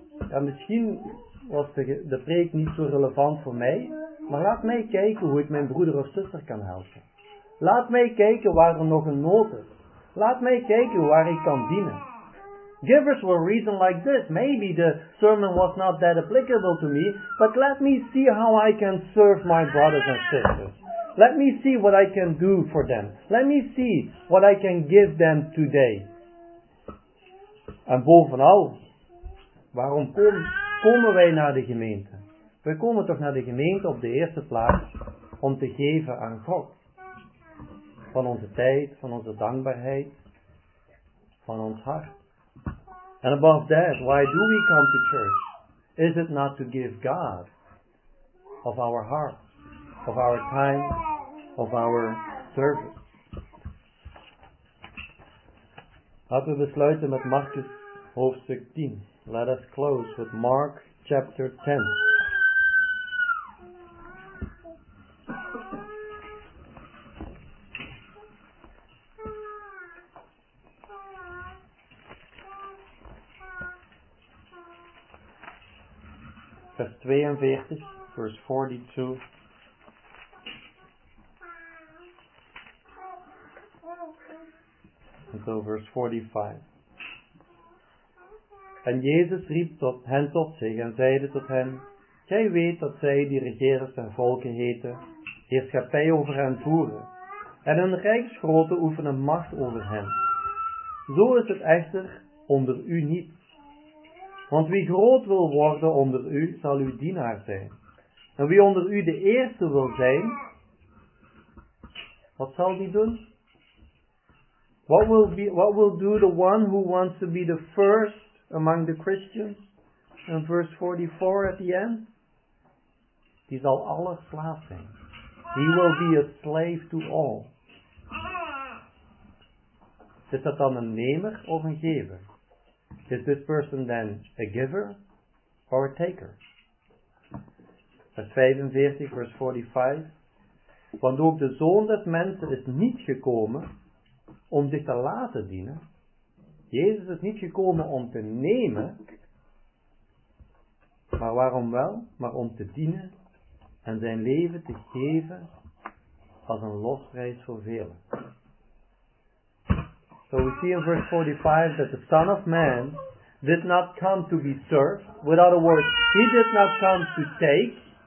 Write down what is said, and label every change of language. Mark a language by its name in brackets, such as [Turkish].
[Dutch] Ja, misschien was de preek niet zo relevant voor mij, maar laat mij kijken hoe ik mijn broeder of zuster kan helpen. Laat mij kijken waar er nog een nood is. Laat mij kijken waar ik kan dienen. [English] Givers will reason like this. Maybe the sermon was not that applicable to me, but let me see how I can serve my brothers and sisters. Let me see what I can do for them. Let me see what I can give them today. [Dutch] En bovenal, waarom komen wij naar de gemeente? Wij komen toch naar de gemeente op de eerste plaats om te geven aan God. Van onze tijd, van onze dankbaarheid, van ons hart. [English] And above that, why do we come to church? Is it not to give God of our heart, of our time, of our service? [Dutch] Laten we sluiten met Marcus hoofdstuk 10. [English] Let us close with Mark chapter 10. [Dutch] Vers 42, vers 42. En zo vers 45. En Jezus riep tot hen tot zich en zeide tot hen, Gij weet dat zij die regeren zijn volken heten, heerschappij over hen voeren, en hun rijksgrootte oefenen macht over hen. Zo is het echter onder u niet. Want wie groot wil worden onder u, zal uw dienaar zijn. En wie onder u de eerste wil zijn, wat zal die doen? [English] What will do the one who wants to be the first among the Christians? In verse 44 at the end. [Dutch] Die zal alle slaaf zijn. [English] He will be a slave to all. [Dutch] Is dat dan een nemer of een gever? [English] Is this person then a giver or a taker? [Dutch] Vers 45, vers 45. Want ook de Zoon des Mensen is niet gekomen om zich te laten dienen. Jezus is niet gekomen om te nemen. Maar waarom wel? Maar om te dienen en zijn leven te geven als een losprijs voor velen. [English] So we see in verse 45 that the Son of Man did not come to be served. With other words, he did not come to take.